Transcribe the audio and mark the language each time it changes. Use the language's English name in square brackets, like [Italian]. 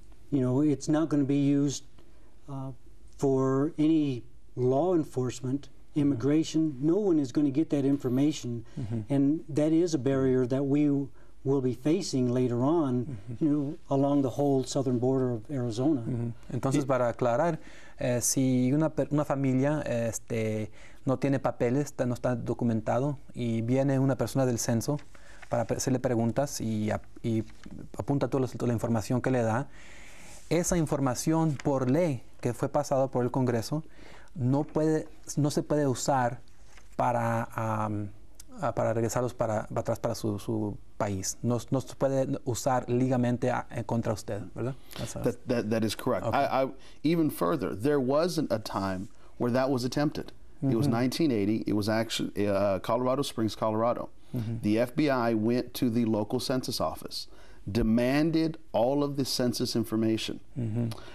[English] You know, it's not going to be used for any law enforcement, immigration. Mm-hmm. No one is going to get that information. Mm-hmm. And that is a barrier that we will be facing later on, mm-hmm. you know, along the whole southern border of Arizona. Mm-hmm. [Spanish] Entonces, para aclarar, si una familia no tiene papeles, no está documentado, y viene una persona del censo para hacerle preguntas y apunta toda la información que le da, esa información por ley que fue pasada por el Congreso no se puede usar para regresarlos para atrás para su país. No se puede usar legalmente contra usted, ¿verdad? [English] That is correct. Okay. I even further, there wasn't a time where that was attempted. Mm-hmm. It was 1980. It was actually Colorado Springs, Colorado. Mm-hmm. The FBI went to the local census office, demanded all of the census information. Mm-hmm.